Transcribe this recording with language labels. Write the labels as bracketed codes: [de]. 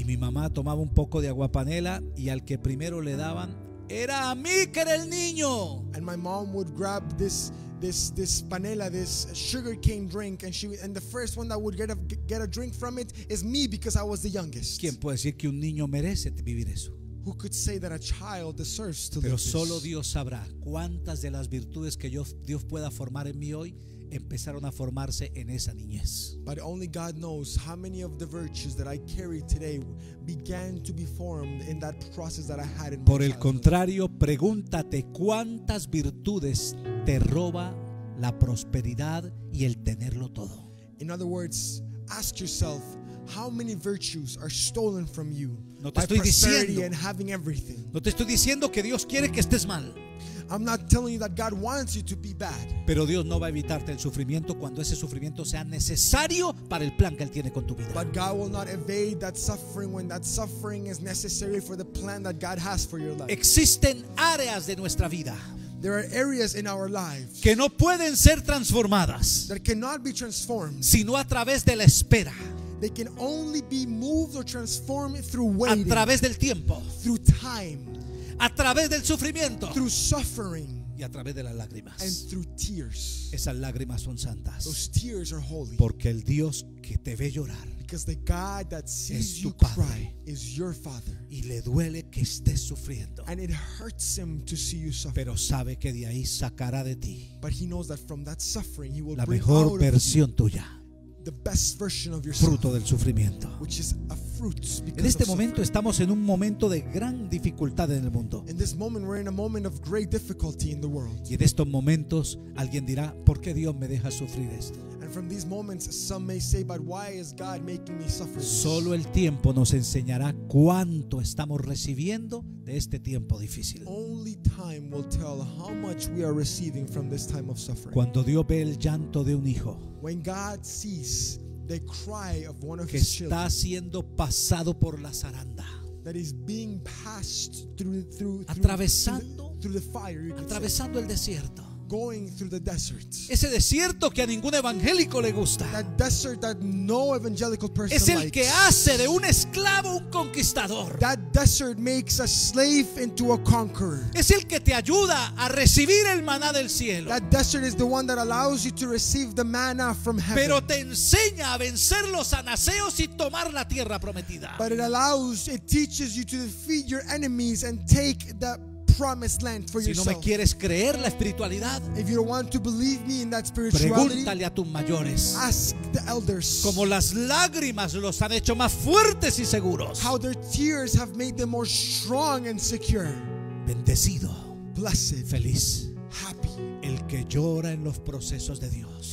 [es] Y mi mamá tomaba un poco de agua panela y al que primero le daban era a mí, que era el niño. [en] And my mom would grab this panela, this sugar cane drink, and the first one that would get a drink from it is me, because I was the youngest. [es] ¿Quién puede decir que un niño merece vivir eso? [en] Who could say that a child deserves to live this? [es] Pero solo Dios sabrá cuántas de las virtudes que Dios pueda formar en mí hoy empezaron a formarse en esa niñez. [en] But only God knows how many of the virtues that I carry today began to be formed in that process that I had in my [es] Por el contrario, pregúntate cuántas virtudes te roba la prosperidad y el tenerlo todo. [en] In other words, ask yourself, how many virtues are stolen from you? [es] No te estoy diciendo, [en] and having everything. [es] No te estoy diciendo que Dios quiere que estés mal. [en] I'm not telling you that God wants you to be bad. [es] Pero Dios no va a evitarte el sufrimiento cuando ese sufrimiento sea necesario para el plan que Él tiene con tu vida. [en] But God will not evade that suffering when that suffering is necessary for the plan that God has for your life. [es] Existen áreas de nuestra vida. [en] There are areas in our lives [es] que no pueden ser transformadas. [en] That cannot be transformed. [es] Sino a través de la espera. [en] They can only be moved or transformed through waiting. [es] A través del tiempo. [en] Through time. [es] A través del sufrimiento. [en] Through suffering. [es] Y a través de las lágrimas. [en] And through tears. [es] Esas lágrimas son santas. [en] Those tears are holy. [es] Porque el Dios que te ve llorar. [en] Because the God that sees you cry is your Father. [es] Y le duele que estés sufriendo. [en] And it hurts him to see you suffer. [es] Pero sabe que de ahí sacará de ti. [en] But he knows that from that suffering he will [es] la mejor [en] bring out [es] versión [en] of you [es] tuya. [en] The best version of yourself. [es] Fruto del sufrimiento. [en] Which is a fruit because of suffering. [es] En este momento estamos en un momento de gran dificultad en el mundo. [en] In this moment we're in a moment of great difficulty in the world. [es] Y en estos momentos alguien dirá, ¿por qué Dios me deja sufrir esto? [en] From these moments some may say, but why is God making me suffer this? [es] Solo el tiempo nos enseñará cuánto estamos recibiendo de este tiempo difícil. [en] Only time will tell how much we are receiving from this time of suffering. [es] Cuando Dios ve el llanto de un hijo, [en] when God sees the cry of one of [es] que [en] his children, [es] está siendo pasado por la zaranda, [en] that is being passed through [es] atravesando [en] the fire, [es] atravesando [en] say, [es] el desierto, [en] going through the desert. [es] Ese desierto que a ningún evangélico le gusta. [en] That desert that no evangelical person likes. [es] Es el [en] likes. [es] Que hace de un esclavo un conquistador. [en] That desert makes a slave into a conqueror. [es] Es el que te ayuda a recibir el maná del cielo. [en] That desert is the one that allows you to receive the manna from heaven. [es] Pero te enseña a vencer los anaseos y tomar la tierra prometida. [en] But it teaches you to defeat your enemies and take the promised land for yourself. [es] Si no me quieres creer la espiritualidad, [en] if you don't want to believe me in that spirituality, [es] pregúntale a tus mayores, [en] ask the elders, [es] como las lágrimas los han hecho más fuertes y seguros, [en] how their tears have made them more strong and secure. [es] Bendecido, [en] blessed, [es] feliz, [en] happy, [es] el que llora en los procesos de Dios,